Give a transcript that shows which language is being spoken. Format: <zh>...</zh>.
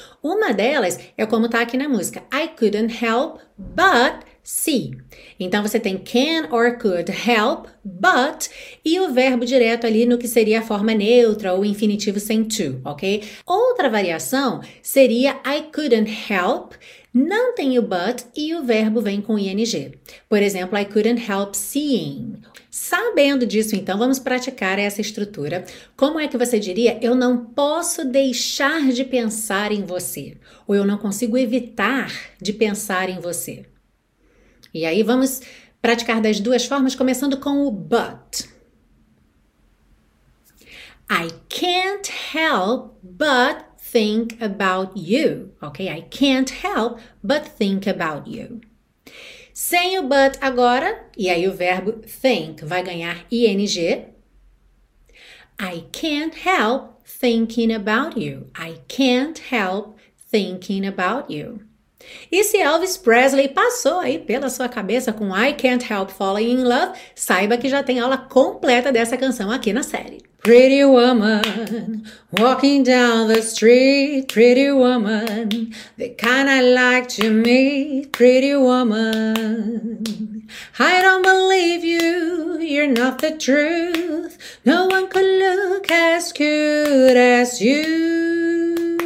<pt>Uma delas é como está aqui na música,</pt> <en>I couldn't help but see.</en> <pt>Então, você tem</pt> <en>can or could help, but,</en> <pt>e o verbo direto ali no que seria a forma neutra ou infinitivo sem to, ok? Outra variação seria</pt> <en>I couldn't help,</en> <pt>não tem o but e o verbo vem com ing. Por exemplo,</pt> <en>I couldn't help seeing.</en> <pt>Sabendo disso, então, vamos praticar essa estrutura. Como é que você diria, eu não posso deixar de pensar em você? Ou eu não consigo evitar de pensar em você? E aí, vamos praticar das duas formas, começando com o but.</pt> <en>I can't help but think about you. Ok? I can't help but think about you.</en> <pt>Sem o but agora, e aí o verbo think vai ganhar ing.</pt> <en>I can't help thinking about you. I can't help thinking about you.</en> <pt>E se Elvis Presley passou aí pela sua cabeça com I Can't Help Falling in Love, saiba que já tem aula completa dessa canção aqui na série.</pt> <en>Pretty woman, walking down the street, pretty woman, the kind I like to meet, pretty woman. I don't believe you, you're not the truth, no one could look as cute as you.</en>